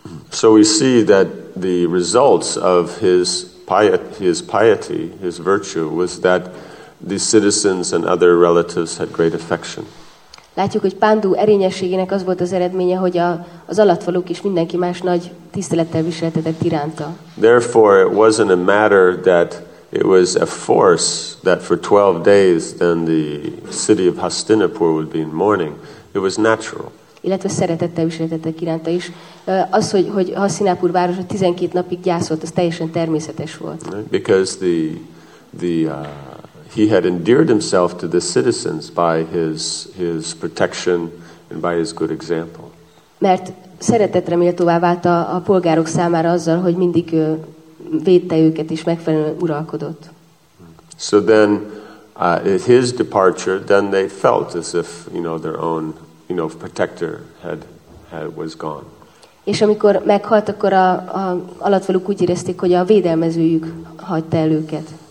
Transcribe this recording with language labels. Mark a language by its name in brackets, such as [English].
[English] So we see that the results of his piety, his virtue was that the citizens and other relatives had great affection. [Hungarian] Látjuk, hogy Pándu erényességének az volt az eredménye, hogy az alattvalók is mindenki más nagy tisztelettel viseltetett iránta. [English] Therefore, it wasn't a matter that it was a force that for 12 days then the city of Hastinapur would be in mourning. It was natural. [Hungarian] Illetve szeretettel viseltetett iránta is. Az, hogy Hastinapur városa 12 napig gyászolt, az teljesen természetes volt. [English] Because he had endeared himself to the citizens by his protection and by his good example. [Hungarian] Mert szeretetre méltóvá vált a polgárok számára azzal, hogy mindig védte őket és megfelelően uralkodott. [English] So then his departure, then they felt as if, you know, their own, you know, protector had was gone. [Hungarian] És amikor meghalt, akkor a alattvalók úgy érezték, hogy a védelmezőjük hagyta el őket.